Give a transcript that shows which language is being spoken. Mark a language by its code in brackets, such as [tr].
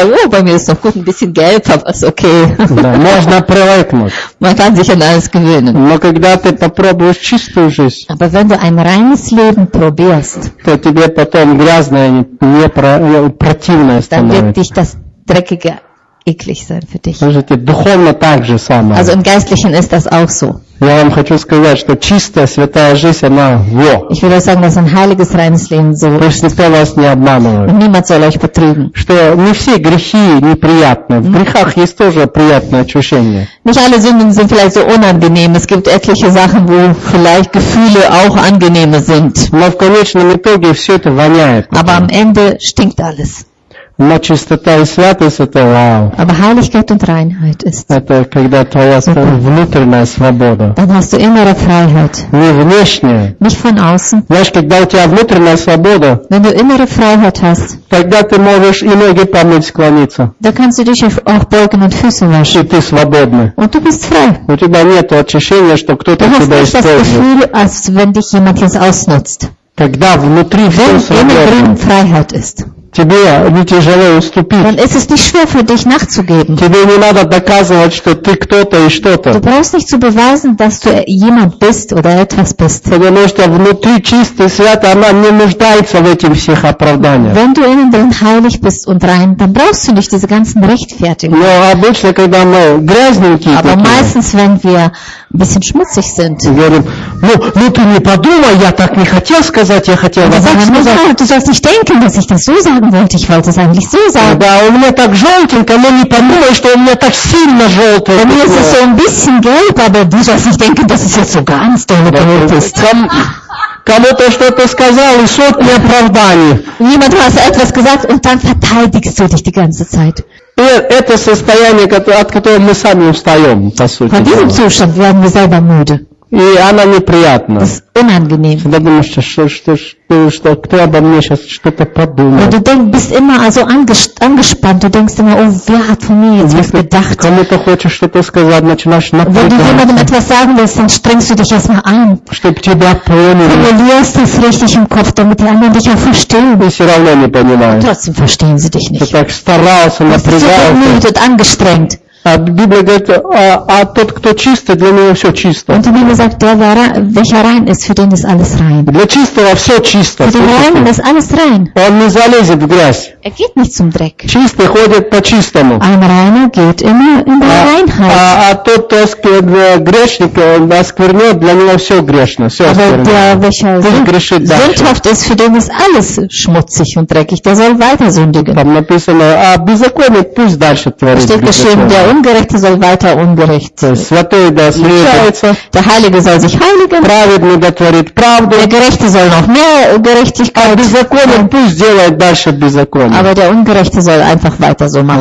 [de] Bei mir ist noch gut ein bisschen gelb, aber ist okay. [ru] Можно привыкнуть. [de] Man kann sich an alles gewöhnen. [ru] Но когда ты попробуешь чистую жизнь, [de] aber wenn du ein reines Leben probierst, [ru] то тебе потом грязное не противное становится. [de] Dann wird dich das Dreckige eklig sein für dich. [ru] Слушайте, духовно так же самое. [de] Also im Geistlichen ist das auch so. [ru] Я вам хочу сказать, что чистая, святая жизнь, она во. [de] Ich will sagen, dass ein heiliges, reines Leben so ist. [ru] Пусть никто вас не обманывает. [de] Niemand soll euch betrügen. [ru] Что не все грехи неприятны. В грехах есть тоже приятное ощущение. [de] Nicht alle Sünden sind vielleicht so unangenehm. Es gibt etliche Sachen, wo vielleicht Gefühle auch angenehme sind. [ru] Но в конечном итоге все это воняет. [de] Aber am Ende stinkt alles. [ru] Но чистота и святость – это вау. [de] Aber Heiligkeit und Reinheit ist. [ru] Это когда твоя внутренняя свобода. [de] Dann hast du innere Freiheit. [ru] Не внешняя. [de] Nicht von außen. [ru] Знаешь, когда у тебя внутренняя свобода, [de] wenn du innere Freiheit hast, [ru] тогда ты можешь и ноги помыть, склониться. [de] Dann kannst du dich auch beugen und Füße waschen. [ru] И ты свободна. [de] Und du bist frei. [ru] У тебя нет ощущения, что кто-то тебя использует. [de] Du hast nicht das Gefühl, als wenn dich jemand jetzt ausnutzt. [ru] Когда внутри все свободно. [de] Wenn innere Freiheit ist. [ru] Тебе не тяжело уступить. [de] Dann ist es nicht schwer für dich nachzugeben. [ru] Тебе не надо доказывать, что ты кто-то и что-то. [de] Du brauchst nicht zu beweisen, dass du jemand bist oder etwas bist. [ru] Потому что внутри чистый, святый, она не нуждается в этих всех оправданиях. [de] Wenn du innen drin heilig bist und rein, dann brauchst du nicht diese ganzen Rechtfertigungen. [ru] Но обычно, когда мы грязненькие, [de] aber такие, meistens, wenn wir ein bisschen schmutzig sind. [ru] Говорим, ну ты не подумай, я так не хотел сказать, я хотел [de] das [ru] сказать. [de] Du sollst nicht denken, dass ich das so sage. Ich wollte es eigentlich so sagen. Ja, und mir ist es so ein bisschen gelb, aber du sollst nicht denken, dass es jetzt so ganz doll gelb ist. [ru] Кому-то что-то сказал и сотни оправданий. [de] Niemand hat etwas gesagt und dann verteidigst du dich die ganze Zeit. [ru] И это состояние, от которого мы сами устаем, по сути. [de] Von diesem Zustand werden wir selber müde. [ru] И она неприятна. [de] Das ist unangenehm. [ru] Всегда думаешь, что кто обо мне сейчас что-то подумает. [de] Und du bist immer also angespannt. Du denkst immer, oh, wer hat von mir jetzt was gedacht? [ru] Кому-то хочешь что-то сказать, начинаешь напрягаться. [de] Wenn du jemandem etwas sagen willst, dann strengst du dich erstmal an. [ru] Чтобы тебя поняли. [de] Formulierst es richtig im Kopf, damit die anderen dich auch verstehen. [ru] И все равно не понимают. [de] Und trotzdem verstehen sie dich nicht. [ru] Ты так старался, напрягался. [de] Du bist so bemüht, angestrengt. [ru] А Библия говорит, а тот, кто чистый, для него все чисто. [de] Und die Bibel sagt, wer rein ist, für den ist alles rein. [ru] Для чистого все чисто. [de] Für den Reinen ist alles rein. [ru] Он не залезет в грязь. [de] Er geht nicht zum Dreck. [ru] Чистый ходит по чистому. [de] Ein Reiner geht immer in der Reinheit. [ru] А тот, кто грешник, он осквернет, для него все грешно, все осквернет. [de] Aber der, welcher sündhaft ist, für den ist alles schmutzig und dreckig. Der soll weiter sündigen. [ru] Там написано, а беззаконие пусть дальше творит. [de] Der Ungerechte soll weiter ungerecht sein. Der Heilige soll sich heiligen. Der Gerechte soll noch mehr Gerechtigkeit haben. Aber der Ungerechte soll einfach weiter so machen.